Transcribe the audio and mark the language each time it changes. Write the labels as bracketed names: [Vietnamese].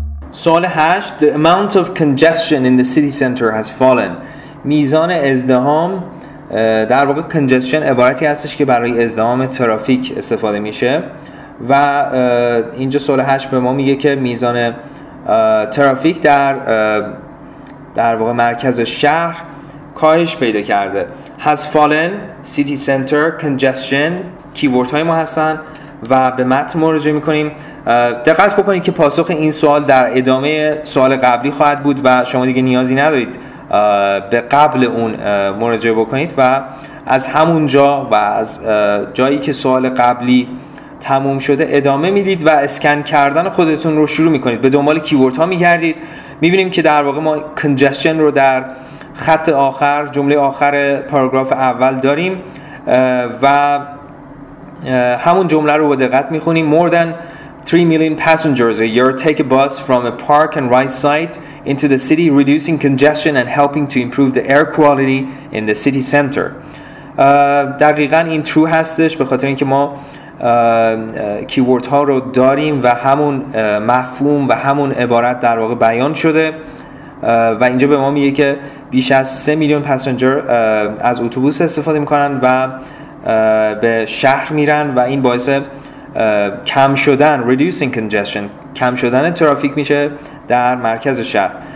[English] سوال 8: The amount of congestion in the city center has fallen. [Persian] میزان ازدحام، در واقع congestion عبارتی هستش که برای ازدحام ترافیک استفاده میشه و اینجا سوال 8 به ما میگه که میزان ترافیک در واقع مرکز شهر کاهش پیدا کرده. has fallen، city center، congestion کیورد های ما هستن و به متن مراجعه میکنیم. دقت بکنید که پاسخ این سوال در ادامه سوال قبلی خواهد بود و شما دیگه نیازی ندارید به قبل اون مراجعه بکنید و از همون جا و از جایی که سوال قبلی تموم شده ادامه میدید و اسکن کردن خودتون رو شروع میکنید. به دنبال کیورد ها میگردید. میبینیم که در واقع ما congestion رو در خط آخر جمله آخر پاراگراف اول داریم و همون جمله رو با دقت میخونیم. [English] More than 3 million passengers a year take a bus from a park and ride site into the city, reducing congestion and helping to improve the air quality in the city center. [Persian] دقیقا این true هستش به خاطر اینکه ما کیورد ها رو داریم و همون مفهوم و همون عبارت در واقع بیان شده و اینجا به ما میگه که بیش از 3 میلیون پسنجر از اتوبوس استفاده میکنن و به شهر میرن و این باعث کم شدن reducing congestion کم شدن ترافیک میشه در مرکز شهر.